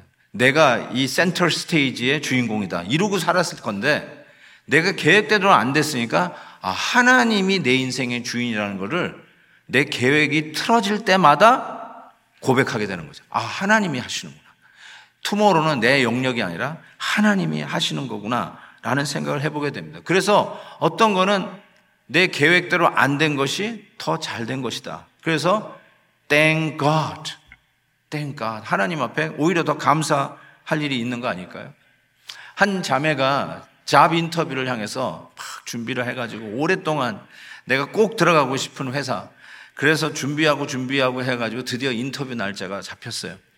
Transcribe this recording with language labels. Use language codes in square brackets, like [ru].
[ko] 내가 이 센터 스테이지의 주인공이다 이러고 살았을 건데 내가 계획대로 안 됐으니까 하나님이 내 인생의 주인이라는 것을 내 계획이 틀어질 때마다 고백하게 되는 거죠. 하나님이 하시는구나. 투모로는 내 영역이 아니라 하나님이 하시는 거구나 라는 생각을 해보게 됩니다. 그래서 어떤 거는 내 계획대로 안 된 것이 더 잘 된 것이다. 그래서 [en] Thank God. Thank God. [ko] 하나님 앞에 오히려 더 감사할 일이 있는 거 아닐까요? 한 자매가 잡 인터뷰를 향해서 막 준비를 해가지고 오랫동안 내가 꼭 들어가고 싶은 회사 그래서 준비하고 해가지고 드디어 인터뷰 날짜가 잡혔어요.